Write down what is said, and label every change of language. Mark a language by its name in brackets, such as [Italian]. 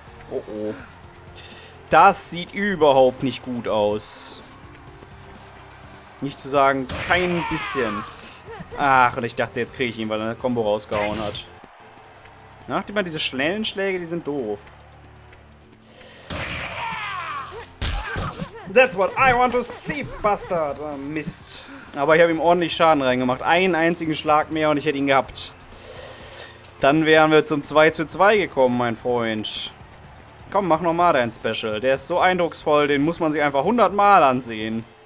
[German] Oh oh. Das sieht überhaupt nicht gut aus. Nicht zu sagen, kein bisschen. Ach, und ich dachte, jetzt kriege ich ihn, weil er eine Combo rausgehauen hat. Ach, die mal diese schnellen Schläge, die sind doof. [English] That's what I want to see, Bastard. [German] Oh, Mist. Aber ich habe ihm ordentlich Schaden reingemacht. Einen einzigen Schlag mehr und ich hätte ihn gehabt. Dann wären wir zum 2:2 gekommen, mein Freund. Komm, mach nochmal dein Special. Der ist so eindrucksvoll, den muss man sich einfach 100 Mal ansehen.